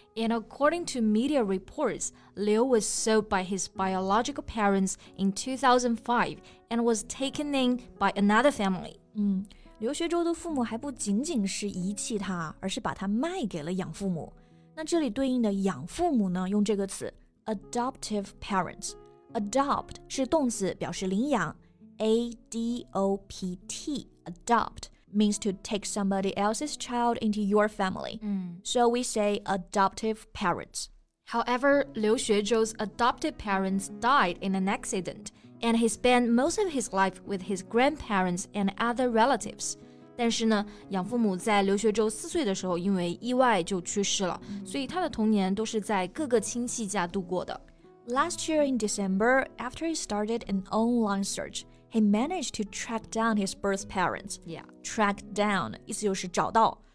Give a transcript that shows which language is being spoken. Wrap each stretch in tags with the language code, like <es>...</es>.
<en>And according to media reports, Liu was sold by his biological parents in 2005 and was taken in by another family.</en> <zh>刘学周的父母还不仅仅是遗弃他，而是把他卖给了养父母。那这里对应的养父母呢，用这个词 adoptive parents。</zh> <en>adopt</en> <zh>是动词，表示领养。</zh> <en>adopt adopt means to take somebody else's child into your family. So we say adoptive parents. However, 刘学周's adoptive parents died in an accident. And he spent most of his life with his grandparents and other relatives.</en> <zh>但是呢，养父母在刘学周四岁的时候因为意外就去世了，所以他的童年都是在各个亲戚家度过的。</zh> <en>Last year in December, after he started an online search, he managed to track down his birth parents. Yeah,</en> <zh>track down 意思就是找到。</zh>